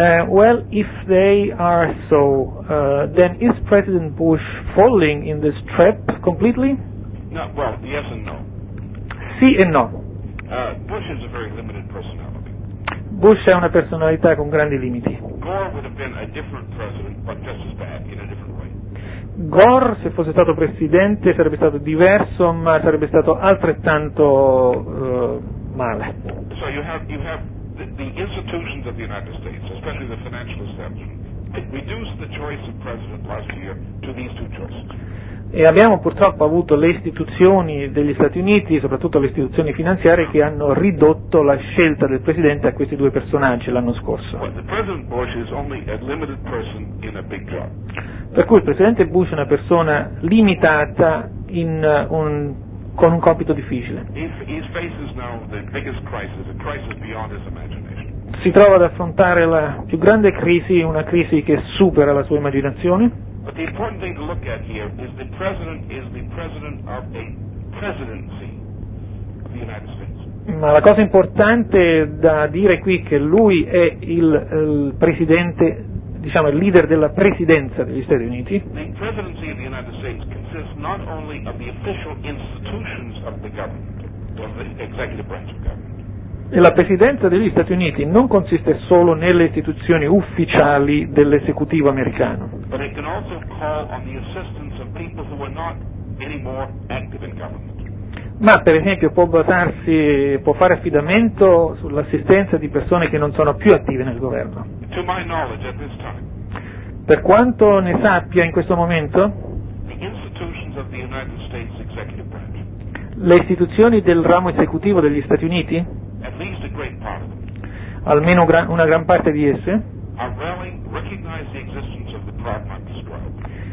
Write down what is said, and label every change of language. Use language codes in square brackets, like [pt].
[en] Well, if they are so, then is President Bush falling in this trap completely? No, well, yes and no. [it] Sì e no. [en] Bush is a very limited personality. [it] Bush è una personalità con grandi limiti. [en] Gore would have been a different president, but just as bad, in a different way. [it] Gore, se fosse stato presidente, sarebbe stato diverso, ma sarebbe stato altrettanto male. [en] So you have the institutions of the United States, especially the financial establishment, reduced the choice of president last year to these two choices. [it] E abbiamo purtroppo avuto le istituzioni degli Stati Uniti, soprattutto le istituzioni finanziarie, che hanno ridotto la scelta del presidente a questi due personaggi l'anno scorso. [en] Well, the President Bush is only a limited person in a big job. [it] Per cui il presidente Bush è una persona limitata in con un compito difficile. [en] He faces now the biggest crisis, a crisis beyond his imagination. [it] Si trova ad affrontare la più grande crisi, una crisi che supera la sua immaginazione. [en] But the important thing to look at here is the president is the president of a presidency of the United States. [it] Ma la cosa importante da dire qui è che lui è il presidente diciamo, il leader della presidenza degli Stati Uniti. [en] The presidency of the United States consists not only of the official institutions of the government, or the executive branch of government. [it] E la presidenza degli Stati Uniti non consiste solo nelle istituzioni ufficiali dell'esecutivo americano. [en] But it can also call on the assistance of people who are not anymore active in government. [it] Ma per esempio può basarsi, può fare affidamento sull'assistenza di persone che non sono più attive nel governo. [en] To my knowledge at this time, [it] per quanto ne sappia in questo momento, [en] the institutions of the United States executive branch, [it] le istituzioni del ramo esecutivo degli Stati Uniti, [en] at least a great part of them, [it] almeno una gran parte di esse, [en] are willing to recognize the existence of the problem I've described.